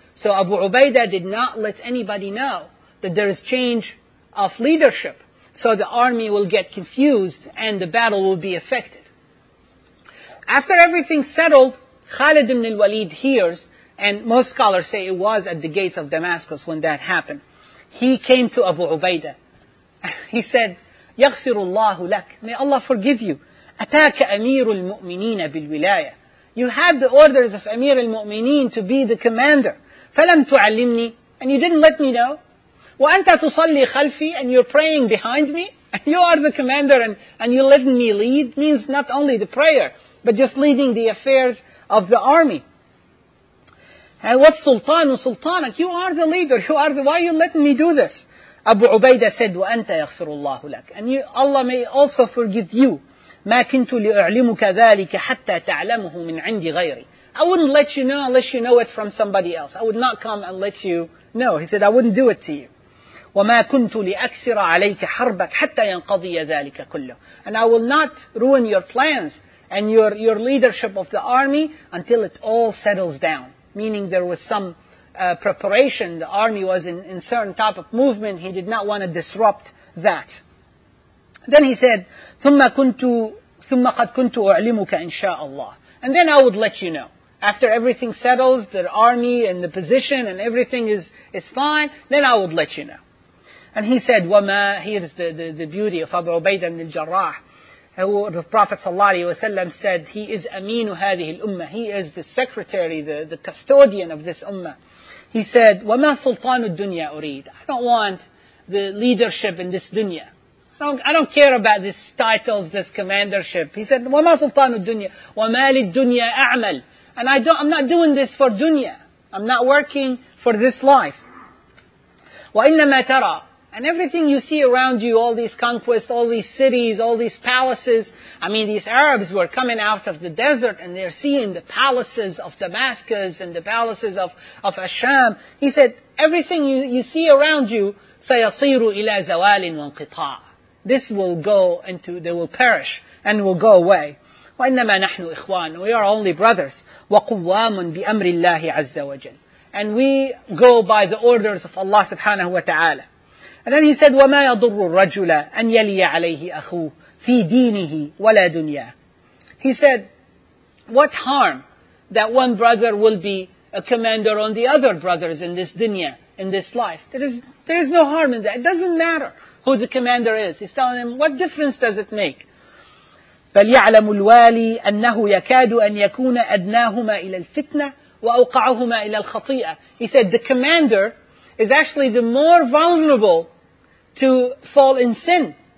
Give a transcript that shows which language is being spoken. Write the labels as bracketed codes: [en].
[en] So Abu Ubaidah did not let anybody know that there is change of leadership. So the army will get confused and the battle will be affected. After everything settled, Khalid ibn al-Walid hears, and most scholars say it was at the gates of Damascus when that happened. He came to Abu Ubaidah. He said, [ar] يَغْفِرُ اللَّهُ لَكَ. [en] May Allah forgive you. [ar] أَتَاكَ أَمِيرُ الْمُؤْمِنِينَ بِالْوِلَايَةِ. [en] You had the orders of Amir al-Mu'mineen to be the commander. [ar] فَلَمْ تُعَلِّمْنِي. [en] And you didn't let me know. [ar] وَأَنْتَ تُصَلِّي خَلْفِي. [en] And you're praying behind me. You are the commander and you're letting me lead. Means not only the prayer, but just leading the affairs of the army. And what's sultan? Sultanak? You are the leader. You are the, why are you letting me do this? Abu Ubaidah said, [ar] وَأَنْتَ يَغْفِرُ اللَّهُ لَكَ. [en] And you, Allah may also forgive you. [ar] ما كنت لأعلمك ذلك حتى تعلمه من عندي غيري. [en] I wouldn't let you know unless you know it from somebody else. I would not come and let you know. He said, I wouldn't do it to you. [ar] وما كنت لأكسر عليك حربك حتى ينقضي ذلك كله. [en] And I will not ruin your plans and your leadership of the army until it all settles down. Meaning there was some preparation. The army was in certain type of movement. He did not want to disrupt that. Then he said, [ar] ثُمَّ قَدْ كُنْتُ أُعْلِمُكَ إِنْ شَاءَ اللَّهِ. [en] And then I would let you know. After everything settles, the army and the position and everything is fine, then I would let you know. And he said, وَمَا, here's the beauty of Abu Ubaidah ibn al-Jarrah, who the Prophet ﷺ said, he is [ar] أَمِينُ هَذِهِ الْأُمَّةِ. [en] He is the secretary, the custodian of this ummah. He said, [ar] وَمَا سُلْطَانُ الدُّنْيَا أُرِيدُ. [en] I don't want the leadership in this dunya. I don't care about these titles, this commandership. He said, [ar] وَمَا سُلْطَانُ الدُّنْيَا وَمَا لِلدُّنْيَا أَعْمَلُ. [en] And I'm not doing this for dunya. I'm not working for this life. [ar] وَإِنَّمَا تَرَى. [en] And everything you see around you, all these conquests, all these cities, all these palaces. I mean, these Arabs were coming out of the desert and they're seeing the palaces of Damascus and the palaces of Asham. He said, everything you see around you, [ar] سَيَصِيرُ إِلَى زَوَالٍ وَانْقِطَاعٍ. [en] This will go into, they will perish and will go away. [ar] وَإِنَّمَا نَحْنُ إِخْوَانُ. [en] We are only brothers. [ar] وَقُوَّامٌ بِأَمْرِ اللَّهِ عَزَّ وَجَلٍ. [en] And we go by the orders of Allah subhanahu wa ta'ala. And then he said, [ar] وَمَا يَضُرُّ الرَّجُلَ أَنْ يَلِيَ عَلَيْهِ أَخُوهُ فِي دِينِهِ وَلَا دُنْيَاهُ. [en] He said, what harm that one brother will be a commander on the other brothers in this dunya, in this life? There is no harm in that. It doesn't matter who the commander is. He's telling him, what difference does it make? [ar] فَلْيَعْلَمُ الْوَالِي أَنَّهُ يَكَادُ أَنْ يَكُونَ أَدْنَاهُمَا إِلَى الْفِتْنَةِ وَأَوْقَعُهُمَا إِلَى الْخَطِيئَةِ. [en] He said, the commander is actually the more vulnerable to fall in sin.